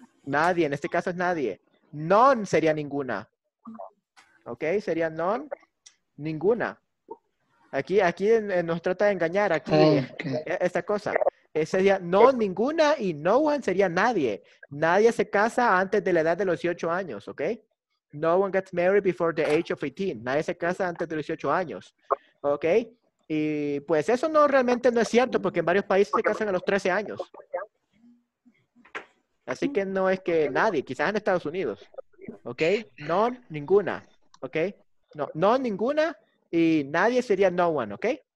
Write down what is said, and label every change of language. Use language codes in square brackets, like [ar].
[es] Nadie, en este caso es nadie. None sería ninguna. Ok, sería none, ninguna. Aquí nos trata de engañar aquí esta cosa. Sería none, ninguna y no one sería nadie. Nadie se casa antes de la edad de los 18 años, ok. [en] No one gets married before the age of 18. [es] Nadie se casa antes de los 18 años, ok. Y pues eso no realmente no es cierto porque en varios países se casan a los 13 años. Así que no es que nadie, quizás en Estados Unidos, ok. None, ninguna. ¿Ok? No, no ninguna y nadie sería no one, ¿ok?